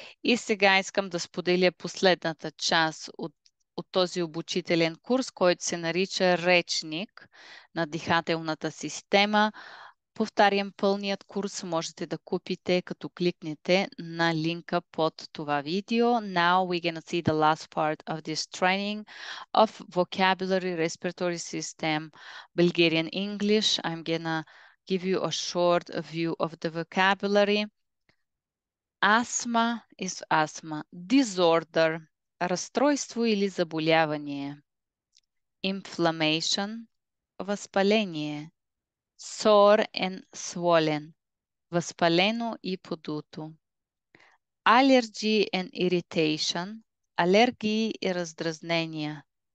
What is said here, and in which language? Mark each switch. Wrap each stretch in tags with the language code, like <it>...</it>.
<bg>И сега искам да споделя последната част от този обучителен курс, който се нарича Речник на дихателната система. Повтарям, пълният курс можете да купите, като кликнете на линка под това видео.</bg> <en>Now we're going to see the last part of this training of vocabulary, respiratory system, Bulgarian English. I'm going to give you a short view of the vocabulary. Asthma is asthma.</en> <bg>Disorder – разстройство или заболявание. Inflammation – възпаление.</bg> <en>Sore and swollen</en> <bg>– възпалено и подуто.</bg> <en>Allergy and irritation</en> <bg>– алергии и раздразнения.</bg>